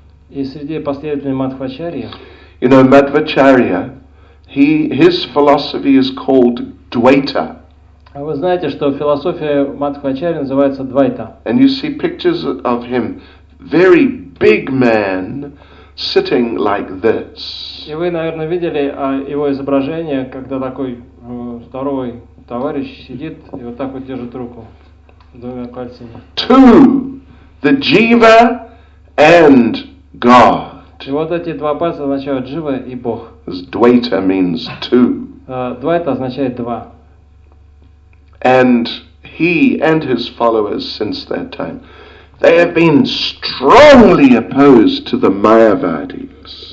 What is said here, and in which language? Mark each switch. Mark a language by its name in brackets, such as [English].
[Russian] И среди последователей Мадхвачарьи. [English] You know, Madhvacharya, his philosophy is called Dvaita. [Russian] А вы знаете, что философия Мадхвачарьи называется Двайта. [English] And you see pictures of him, very big man, sitting like this. [Russian] И вы, наверное, видели его изображение, когда такой здоровый товарищ сидит и вот так вот держит руку двумя пальцами. [English] Two, the Jiva and God. [Russian] И вот эти два пальца означают Джива и Бог. [English] Двайта means two. [Russian] Двайта означает два. [English] And he and his followers since that time, they have been strongly opposed to the Mayavadis.